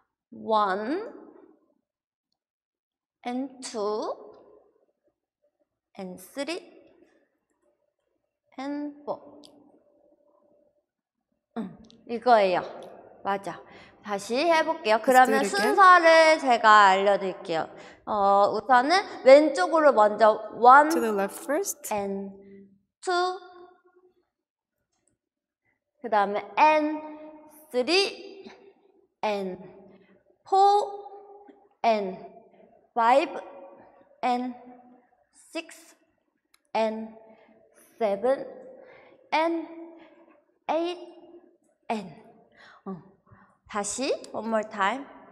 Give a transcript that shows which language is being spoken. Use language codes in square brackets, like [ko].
[en] one and two and three and four [ko] 이거예요. 맞아. 다시 해볼게요. [en] Let's [ko] 그러면 [en] do it again. [ko] 순서를 제가 알려드릴게요. 우선은 왼쪽으로 먼저 [en] To the one left first. and two [ko] 그다음에 [en] and three and four and five and six and seven and eight and [ko] 다시 [en] one more time.